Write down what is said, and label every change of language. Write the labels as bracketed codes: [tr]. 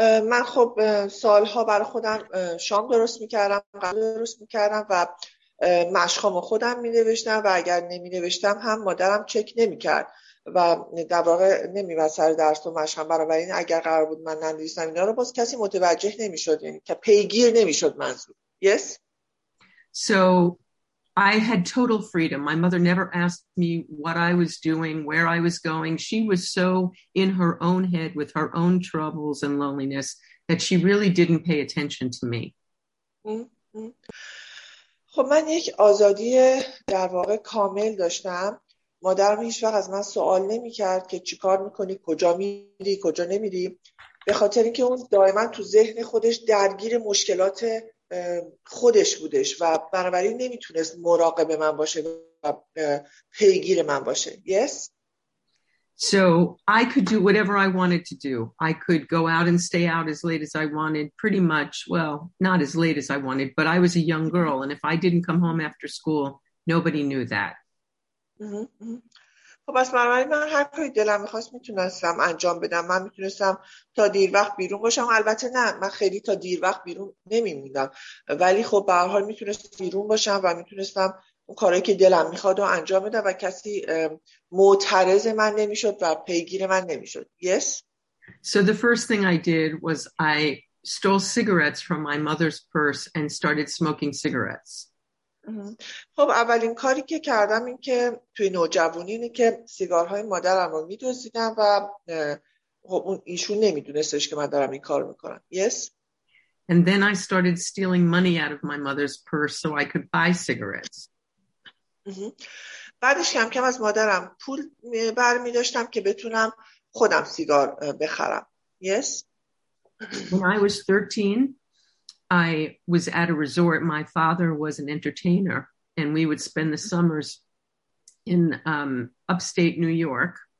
[fa] من خب سالها برای خودم شام درست میکردم غذا درست میکردم و مشقامو خودم مینوشتم و اگر نمینوشتم هم مادرم چک نمیکرد و در واقع نمیومد سر درس و مشقم بنابراین اگر قرار بود من ننویسم اینا رو باز کسی متوجه نمیشد یعنی که پیگیر نمیشد منظور. [en] Yes. So I had total freedom. My mother never asked me what I was doing, where I was going. She was so in her own head with her own troubles and loneliness that she really didn't pay attention to me. [fa] خب من یک آزادی در واقع کامل داشتم. مادرم هیچ وقت از من سوال نمی کرد که چی کار میکنی، کجا میری، کجا نمیری. به خاطر اینکه اون دائما تو ذهن خودش درگیر مشکلات خودش بودش و بنابراین نمیتونست مراقب من باشه و پیگیر من باشه. [en] Yes. So I could do whatever I wanted to do. I could go out and stay out as late as I wanted, pretty much. Well, not as late as I wanted, but I was a young girl and if I didn't come home after school, nobody knew that. [fa] خب بس بنابراین من هر کاری دلم میخواست میتونستم انجام بدم. من میتونستم تا دیر وقت بیرون باشم. البته نه من خیلی تا دیر وقت بیرون نمیموندم. ولی خب به هر حال میتونستم بیرون باشم و میتونستم اون کاری که دلم میخواد رو انجام بدم و کسی معترض من نمیشد و پیگیر من نمیشد. [en] Yes. So the first thing I did was I stole cigarettes from my mother's purse and started smoking cigarettes. [fa] خب اولین کاری که کردم این که توی نوجوانی اینه که سیگارهای مادرم رو میدوزیدم و خب اون ایشون نمیدونستش که من دارم این کار میکنم. [en] Yes. And then I started stealing money out of my mother's purse so I could buy cigarettes. [fa] بعدش کم کم از مادرم پول برمی داشتم که بتونم خودم سیگار بخرم. [en] Yes. When I was 13, I was at a resort. My father was an entertainer, and we would spend the summers in upstate New York.